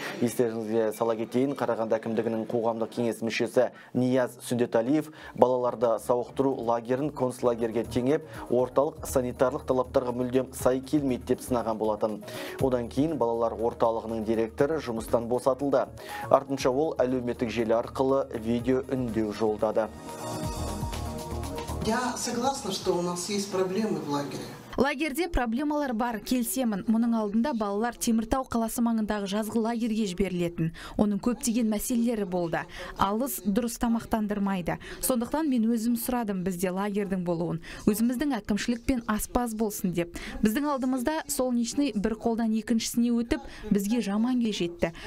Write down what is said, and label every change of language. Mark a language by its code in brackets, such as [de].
[kk] Естеріңізге сала кетейін, Қарағанды әкімдігінің қоғамдық кеңес мүшесі Нияз Сүндеталиев балаларды сауықтыру лагерін концлагерге теңеп, орталық санитарлық талаптарға мүлдем сай келмейді деп сынаған болатын. Одан кейін балалар орталығының директоры жұмыстан босатылды. Артынша ол әлеуметтік желі арқылы видео үндеу жолдады. [ru] Я согласна, что у нас есть проблемы в лагере. [kk] Лагерде проблемалар бар, келсемін. Мұның алдында балалар Теміртау қаласы маңындағы жазғы лагерге жіберілетін. Оның көптеген мәселелері болды. Алыс дұрыс тамақтандырмайды. Сондықтан мен өзім сұрадым бізде лагердің болуын. Өзіміздің әкімшілікпен аспаз болсын деп. Біздің алдымызда солнечный бір қолдан екіншісіне өтіп, бізге жаман кежетті.